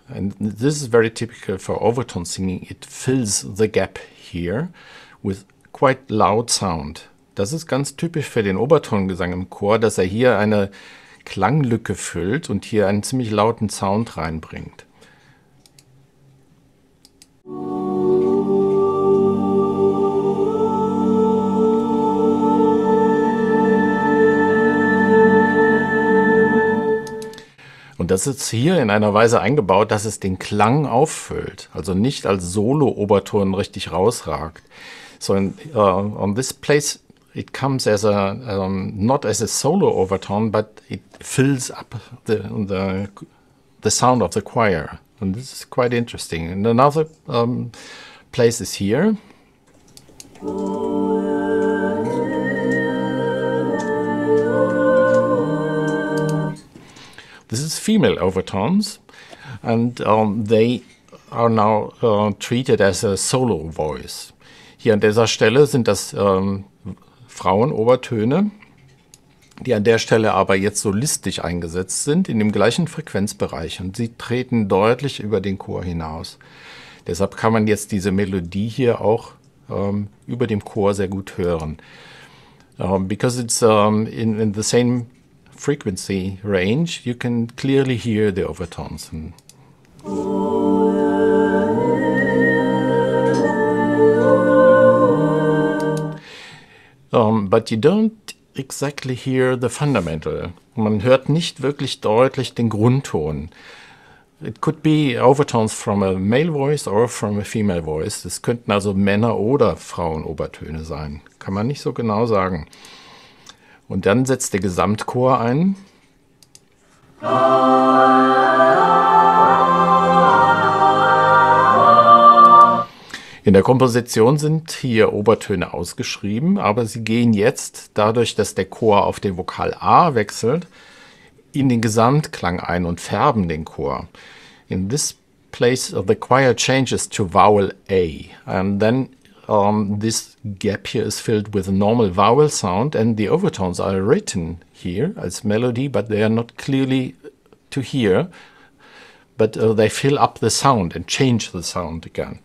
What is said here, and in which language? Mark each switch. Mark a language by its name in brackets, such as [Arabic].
[English] And this is very typical for overtone singing. It fills the gap here with quite loud sound. [German] Das ist ganz typisch für den Obertongesang im Chor, dass er hier eine Klanglücke füllt und hier einen ziemlich lauten Sound reinbringt. Und das ist hier in einer Weise eingebaut, dass es den Klang auffüllt, also nicht als Solo-Oberton richtig rausragt. [English] So on this place, it comes as a not as a solo overtone, but it fills up the sound of the choir, and this is quite interesting. And another place is here. This is female overtones, and they are now treated as a solo voice. [German] Hier an dieser Stelle sind das Frauenobertöne, die an der Stelle aber jetzt solistisch eingesetzt sind, in dem gleichen Frequenzbereich, und sie treten deutlich über den Chor hinaus. Deshalb kann man jetzt diese Melodie hier auch über dem Chor sehr gut hören. [English] Because it's in the same frequency range, you can clearly hear the overtones. But you don't exactly hear the fundamental. [German] Man hört nicht wirklich deutlich den Grundton. [English] It could be overtones from a male voice or from a female voice. [German] Das könnten also Männer- oder Frauenobertöne sein. Kann man nicht so genau sagen. Und dann setzt der Gesamtchor ein. In der Komposition sind hier Obertöne ausgeschrieben, aber sie gehen jetzt, dadurch, dass der Chor auf den Vokal A wechselt, in den Gesamtklang ein und färben den Chor. [English] In this place the choir changes to vowel A, and then this gap here is filled with a normal vowel sound, and the overtones are written here as melody, but they are not clearly to hear. But they fill up the sound and change the sound again.